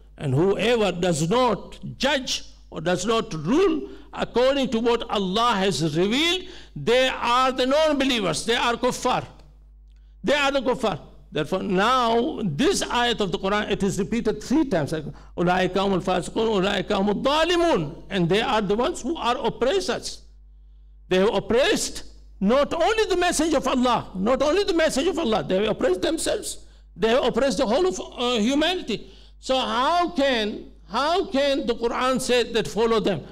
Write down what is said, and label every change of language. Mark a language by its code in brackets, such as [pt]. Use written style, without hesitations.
[en] And whoever does not judge or does not rule according to what Allah has revealed, they are the non-believers, they are kuffar. They are the kuffar. Therefore, now this ayat of the Quran, it is repeated three times. [ar] أُولَٰئِكَ هُمُ الْفَاسِقُونَ أُولَٰئِكَ هُمُ الظَّالِمُونَ. [en] And they are the ones who are oppressors. They have oppressed not only the message of Allah, not only the message of Allah, they have oppressed themselves, they have oppressed the whole of humanity. So how can the Quran say that follow them?